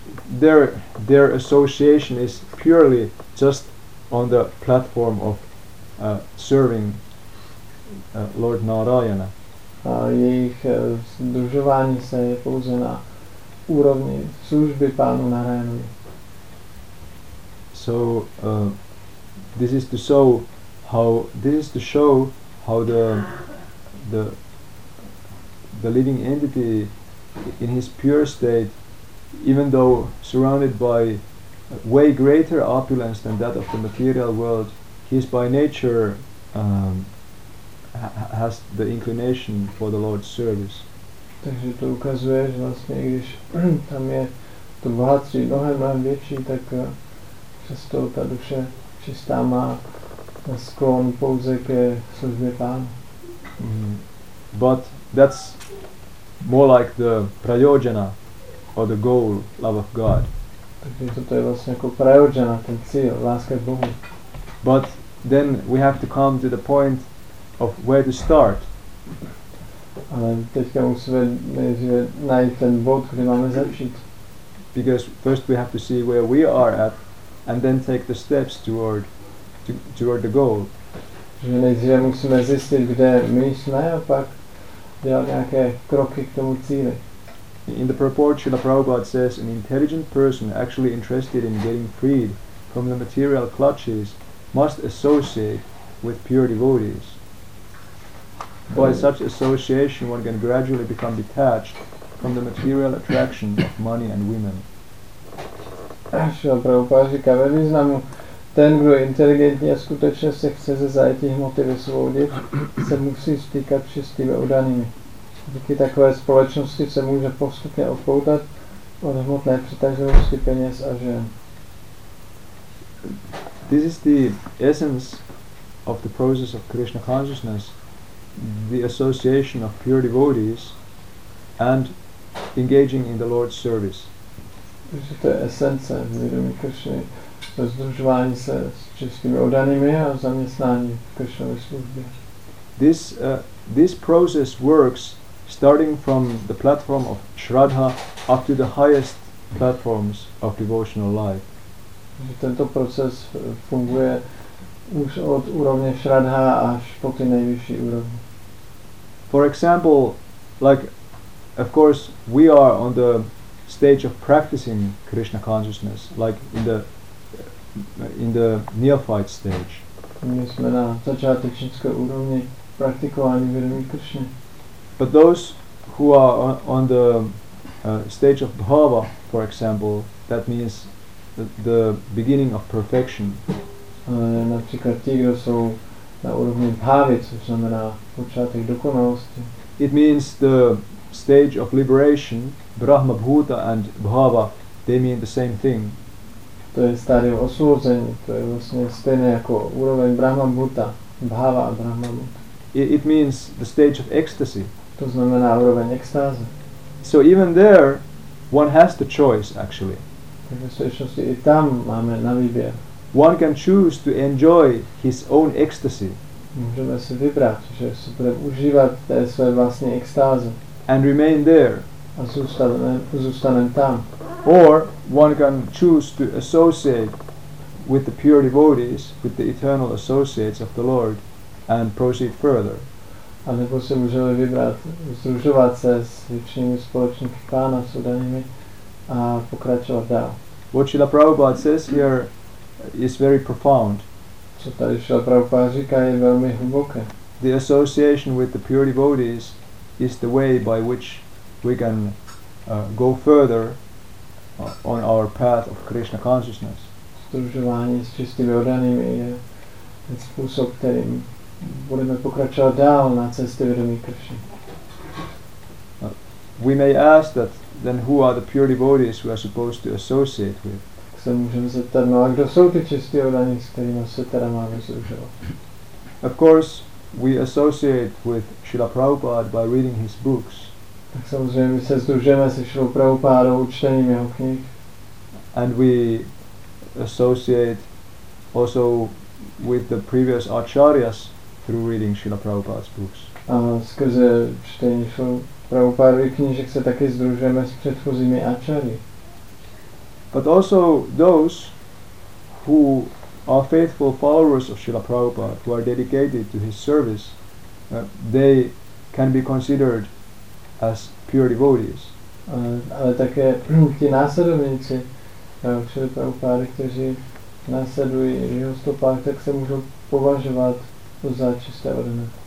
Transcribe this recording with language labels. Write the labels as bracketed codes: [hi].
[en] Their association is purely just on the platform of serving Lord Narayana. [cs] A jejich združování se je pouze na úrovni služby pánu Narayanovi. [en] So this is to show how the living entity in his pure state, even though surrounded by way greater opulence than that of the material world, he is by nature has the inclination for the Lord's service. [cs] Takže to ukazuje, že vlastně, když tam je to bohatství mnohem větší, tak přesto ta duše čistá má sklon pouze ke službě pánu. Mm-hmm. [en] But that's more like the prayojana or the goal, love of God. [cs] Takže toto je vlastně jako prayojana, ten cíl, láska k Bohu. [en] But then we have to come to the point of where to start. [cs] Ale teďka musíme najít ten bod, kde máme začít. [en] Because first we have to see where we are at and then take the steps toward the goal. [cs] Že nejdříve musíme zjistit, kde my jsme a pak dělat nějaké kroky k tomu cíli. [en] In the purport, Srila Prabhupada says, an intelligent person actually interested in getting freed from the material clutches must associate with pure devotees. By such association, one can gradually become detached from the material attraction of money and women. [cs] Srila Prabhupada říká ve významu, ten, kdo je inteligentní a skutečně se chce ze zajetí hmoty vysvobodit, se musí stýkat čistými oddanými. Díky takové společnosti se může postupně odpoutat od hmotné přitažlivosti peněz a žen. [en] this is the essence of the process of Krishna consciousness, the association of pure devotees and engaging in the Lord's service. [cs] Takže to je esence vědomí Kršny, rozdružování se s čistými oddanými a zaměstnání v Kršnové službě. [en] This process works starting from the platform of Shraddha up to the highest platforms of devotional life. [cs] Takže tento proces funguje už od úrovně Shraddha až po ty nejvyšší úrovně. [en] For example, like, of course, we are on the stage of practicing Krishna consciousness, like in the neophyte stage. [cs] My jsme na začátečnické úrovni praktikování vědomí Krishna. [en] But those who are on the stage of bhava, for example, that means the beginning of perfection. [cs] Například ti, kdo jsou na úrovni bhavy, což znamená počátek dokonalosti. [en] It means the stage of liberation, Brahma Bhuta and Bhava, they mean the same thing. [cs] To je stádium osvobození, to je vlastně stejné jako úroveň Brahma Bhuta, Bhava a Brahma Bhuta. [en] It means the stage of ecstasy. [cs] To znamená úroveň extáze. [en] So even there, one has the choice actually. [cs] Takže skutečnosti i tam máme na výběr. [en] One can choose to enjoy his own ecstasy. [cs] Můžeme si vybrat, že si budeme užívat té své vlastní extáze. [en] And remain there. [cs] A zůstanem tam. [en] Or one can choose to associate with the pure devotees, with the eternal associates of the Lord, and proceed further. [cs] A nebo si můžeme vybrat združovat se s věčnými společníky Pána, s udanými, a pokračovat dál. [en] What Srila Prabhupada says here is very profound. [cs] Co tady Srila Prabhupada říká, je velmi hluboké. [en] The association with the pure devotees is the way by which we can go further on our path of Krishna consciousness. [cs] Združování s čistými oddanými je ten způsob, kterým budeme pokračovat dál na cestě vědomí Krishna. [en] We may ask that then who are the pure devotees we are supposed to associate with? [cs] Tak se můžeme zeptat, no a kdo jsou ty čistí oddaní, s kterými se teda máme združovat? [en] Of course, we associate with Srila Prabhupada by reading his books. [cs] Tak samozřejmě my se združujeme se Srila Prabhupada učtením jeho knih. [en] And we associate also with the previous acharyas through reading Srila Prabhupada's books. [cs] A skrze čtení Srila Prabhupada knížek se taky združujeme s předchozími acharyi. [en] But also those who are faithful followers of Srila Prabhupada, who are dedicated to his service, they can be considered as pure devotees. [cs] Ale také ti následovníci Srila Prabhupada, kteří následují jeho stopách, tak se můžou považovat za čisté oddané.